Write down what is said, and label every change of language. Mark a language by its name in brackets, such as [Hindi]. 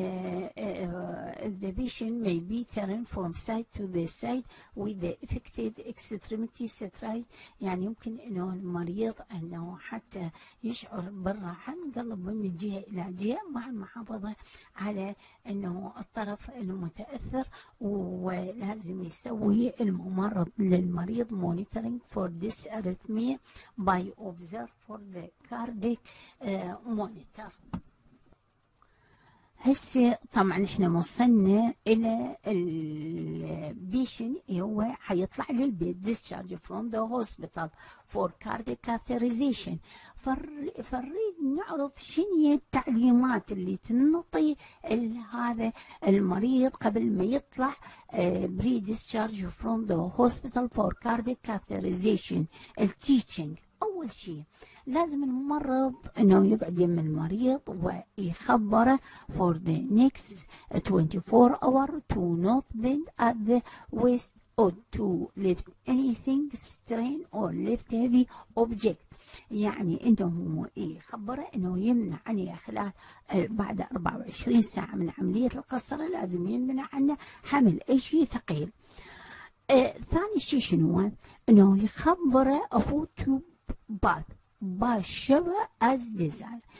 [English] For comfort the patient may be turned from side to the side with the affected extremity straight. [Arabic] يعني يمكن انه المريض انه حتى يشعر بالراحة نقلب من جهة الى جهة مع المحافظة على انه الطرف المتأثر، ولازم يسوي الممرض للمريض [English] monitoring for dysarrhythmia by observe for the cardiac monitor. [Arabic] هسه طبعا احنا وصلنا الى البيشن هو حيطلع للبيت [English] discharge from the hospital for cardiac catheterization. [Arabic] فنريد نعرف شنو التعليمات اللي تنطي لهذا المريض قبل ما يطلع [English] pre discharge from the hospital for cardiac catheterization. [Arabic] التيتشنج اول شيء لازم الممرض انه يقعد يم المريض ويخبره [English] for the next 24 hour to not bend at the waist or to lift anything strain or lift heavy object. [Arabic] يعني انه يخبره انه يمنع عنه خلال بعد 24 ساعة من عملية القصرة لازم يمنع عنه حمل اي شيء ثقيل. ثاني شيء شنو انه يخبره [English] about to bath [Arabic] باشوه از ديزاير.